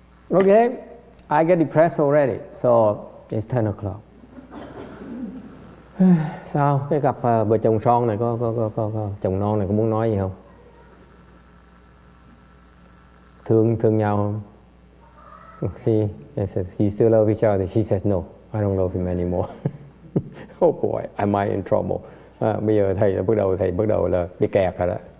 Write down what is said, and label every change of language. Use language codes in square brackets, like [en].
[en] Ok, I get depressed already, so it's 10 o'clock. [vi] Sao cái gặp vợ chồng son này, có chồng non này có muốn nói gì không? Thương nhau không? [en] See, you still love each other. She says, no, I don't love him anymore. Oh boy, I might in trouble. [vi] Bây giờ thầy bắt đầu là bị kẹt rồi đó.